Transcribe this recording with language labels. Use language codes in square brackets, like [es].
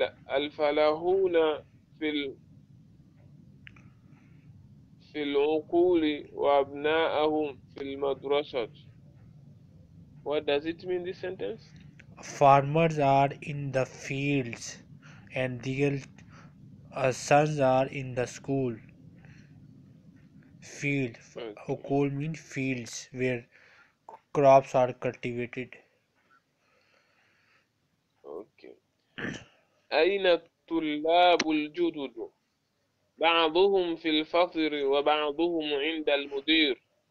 [ar] الفلاحون في العقول وأبناءهم في المدرسة. [en] What does it mean, this sentence? Farmers are in the fields and their sons are in the school. Field, Hukul means fields where crops are cultivated. Okay. [ar] أين الطلاب الجدد؟ بعضهم في الفصل وبعضهم عند المدير.